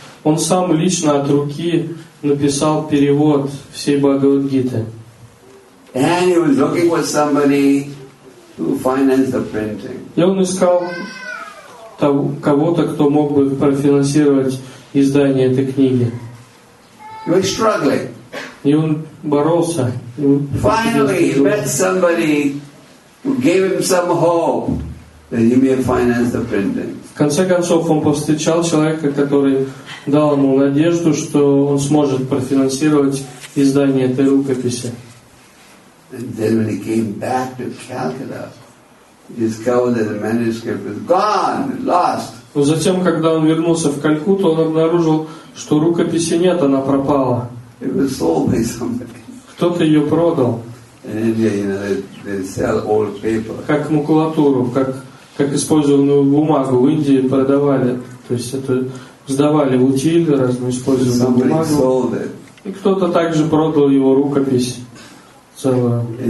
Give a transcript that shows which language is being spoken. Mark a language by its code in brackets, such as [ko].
[ru] Он сам лично от руки написал перевод всей Бхагавад-гиты. И он искал кого-то, кто мог бы профинансировать издание этой книги. [en] He was struggling. [ru] И он боролся. [en] Finally, he met somebody who gave him some hope. That he may finance the printing. [ru] В конце концов, он повстречал человека, который дал ему надежду, что он сможет профинансировать издание этой рукописи. [en] And then when he came back to Calcutta, he discovered that the manuscript was gone, lost. [ru] Но затем, когда он вернулся в Калькутту, он обнаружил, что рукописи нет, она пропала. [en] It was sold by somebody. [ru] Кто-то ее продал. [en] In India, you know, they sell old paper. [ru] Как макулатуру, как использованную бумагу в Индии продавали, то есть это сдавали в утиль, разную использованную бумагу. И кто-то также продал его рукопись целую.